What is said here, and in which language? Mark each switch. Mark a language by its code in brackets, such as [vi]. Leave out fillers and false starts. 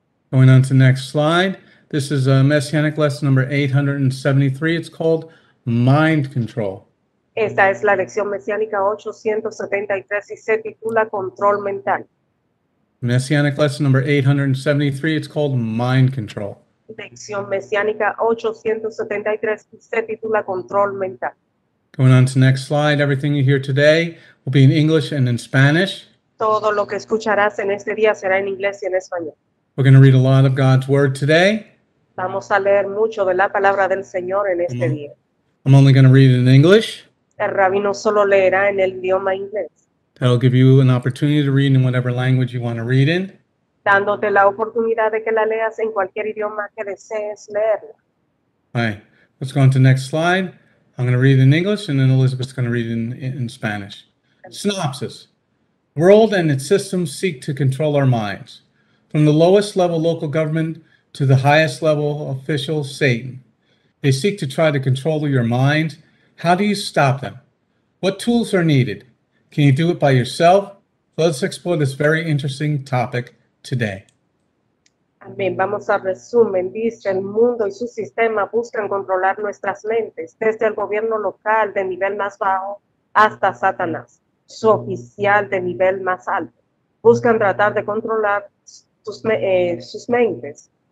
[en] Going on to the next slide. This is a Messianic lesson number 873. It's called Mind Control. [es] Esta es la lección mesiánica 873 y se titula Control Mental. [en] Messianic lesson number 873. It's called Mind Control. [es] Lección mesiánica 873 se titula Control Mental. [en] Going on to the next slide, everything you hear today will be in English and in Spanish. [es] Todo lo que escucharás en este día será en inglés y en español. [en] We're going to read a lot of God's Word today. [es] Vamos a leer mucho de la palabra del Señor en este día. [en] I'm only going to read it in English. [es] El rabino solo leerá en el idioma inglés. [en] That'll give you an opportunity to read in whatever language you want to read in. [es] Dándote la oportunidad de que la leas en cualquier idioma que desees leerla. [en] All right, let's go on to the next slide. I'm going to read it in English, and then Elizabeth's going to read it in Spanish. Synopsis. World and its systems seek to control our minds. From the lowest level local government to the highest level official, Satan. They seek to try to control your mind. How do you stop them? What tools are needed? Can you do it by yourself? Let's explore this very interesting topic today. [es] Amén. Vamos al resumen. Dice, el mundo y su sistema buscan controlar nuestras mentes, desde el gobierno local de nivel más bajo hasta Satanás, su oficial de nivel más alto. Buscan tratar de controlar sus mentes.